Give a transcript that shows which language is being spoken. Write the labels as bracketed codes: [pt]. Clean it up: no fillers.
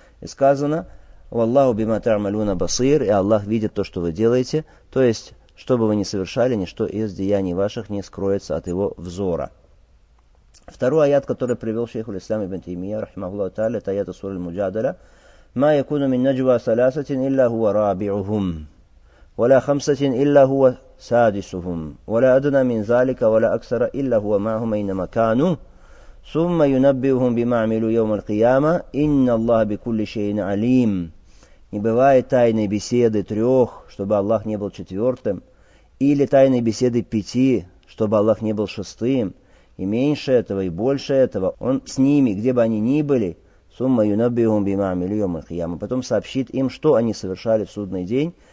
[ru] И сказано, «Валлаху бима та'малюна басир», и Аллах видит то, что вы делаете. То есть, что бы вы ни совершали, ничто из деяний ваших не скроется от его взора. Второй аят, который привел шейх Ислам ибн Таймия, рахимахуллаху та'аля, это аят сура Аль-Муджадала. [ar] ما يكون من نجوى ثلاثة إلا هو رابعهم ولا خمسة إلا هو سادسهم ولا أدنى من ذلك ولا أكثر إلا هو معهم أينما كانوا ثم ينبئهم بما عملوا يوم القيامة إن الله بكل شيء عليم. [ru] Не бывает тайной беседы трех, чтобы Аллах не был четвертым, или тайной беседы пяти, чтобы Аллах не был шестым, и меньше этого, и больше этого, Он с ними, где бы они ни были, [ar] ثُمَّ يُنَبِّهُمْ بِمَا عَمِلُوا يَوْمَ الْقِيَامَةِ [ru] Потом сообщит им, что они совершали в судный день.